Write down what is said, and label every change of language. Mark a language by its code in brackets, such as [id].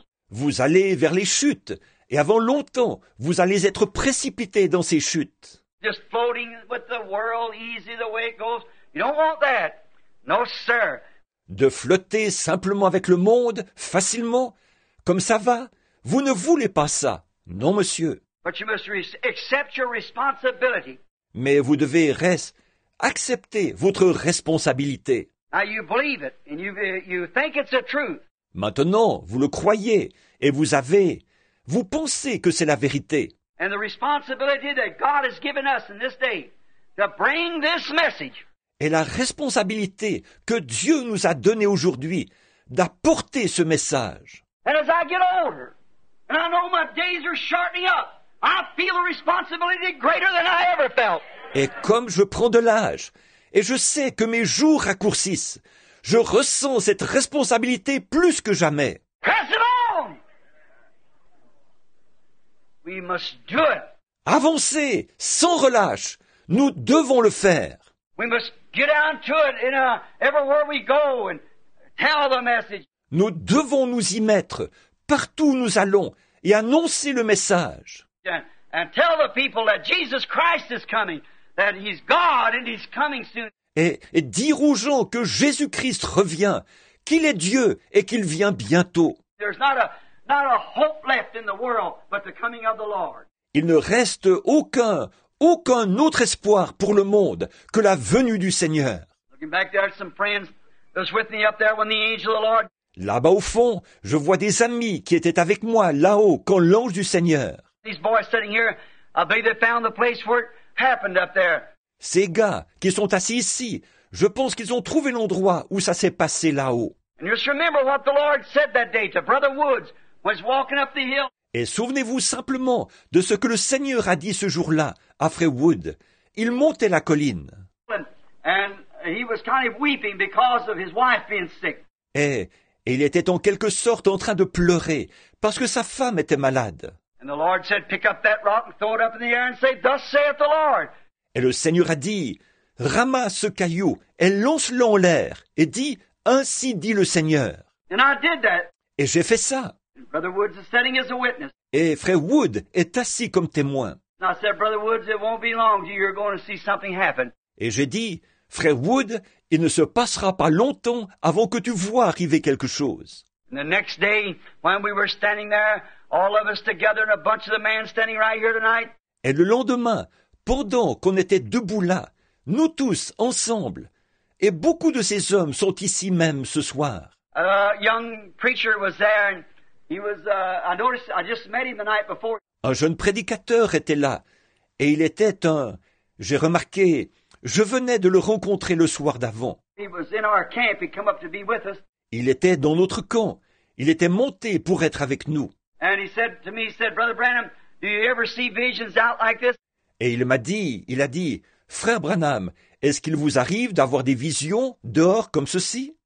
[fr] Vous allez vers les chutes, et avant longtemps, vous allez être précipité dans ces chutes. [en] Just floating with the world, easy the way it goes. You don't want that. No, sir. [fr] De flotter simplement avec le monde, facilement, comme ça va, vous ne voulez pas ça. Non, monsieur. [en] But you must accept your responsibility. [fr] Mais vous devez accepter votre responsabilité. [en] Now you believe it and you think it's the truth. [fr] Maintenant, vous le croyez et vous pensez que c'est la vérité. [en] And the responsibility that God has given us in this day to bring this message. [fr] Et la responsabilité que Dieu nous a donnée aujourd'hui d'apporter ce message. [en] And as I get older and I know my days are shortening up, I feel a responsibility greater than I ever felt. [fr] Et comme je prends de l'âge et je sais que mes jours raccourcissent, je ressens cette responsabilité plus que jamais. [en] Press it on! We must do it. [fr] Avancez sans relâche. Nous devons le faire. [en] We must get down to it in everywhere we go and tell the message. [fr] Nous devons nous y mettre partout où nous allons et annoncer le message. [en] And tell the people that Jesus Christ is coming, that he's God and he's coming soon. [fr] Et dire aux gens que Jésus-Christ revient, qu'il est Dieu et qu'il vient bientôt. [en] There's not a hope left in the world but the coming of the Lord. [fr] Il ne reste aucun autre espoir pour le monde que la venue du Seigneur. [en] Looking back there, some friends that was with me up there when the angel of the Lord. [fr] Là-bas au fond, je vois des amis qui étaient avec moi là-haut quand l'ange du Seigneur. [en] These boys sitting here, I believe they found the place where it happened up there. [fr] Ces gars qui sont assis ici, je pense qu'ils ont trouvé l'endroit où ça s'est passé là-haut. [en] And just remember what the Lord said that day to Brother Woods when he was walking up the hill. [fr] Et souvenez-vous simplement de ce que le Seigneur a dit ce jour-là à Frère Wood. Il montait la colline. [en] And he was kind of weeping because of his wife being sick. [fr] Et il était en quelque sorte en train de pleurer parce que sa femme était malade. [en] And the Lord said, pick up that rock and throw it up in the air and say, thus saith the Lord. [fr] Et le Seigneur a dit, ramasse ce caillou et lance-le en l'air et dit, ainsi dit le Seigneur. [en] And I did that. [fr] Et j'ai fait ça. [en] And Brother Woods is standing as a witness. [fr] Et Frère Wood est assis comme témoin. [en] And I said, Brother Woods, it won't be long till you're going to see something happen. [fr] Et j'ai dit, Frère Wood, il ne se passera pas longtemps avant que tu vois arriver quelque chose. [en] And the next day, when we were standing there, all of us together and a bunch of the men standing right here tonight. [fr] Et le lendemain, pendant qu'on était debout là, nous tous ensemble, et beaucoup de ces hommes sont ici même ce soir. [en] A young preacher was there and He was, I noticed, I just met him the night before. [fr] Un jeune prédicateur était là, et il était un... J'ai remarqué, je venais de le rencontrer le soir d'avant. [en] He was in our camp. He come up to be with us. [fr] Il était dans notre camp. Il était monté pour être avec nous. [en] And he said to me, he said, Brother Branham, do you ever see visions out like this? [fr] Et il a dit, Frère Branham, est-ce qu'il vous arrive d'avoir des visions dehors comme ceci?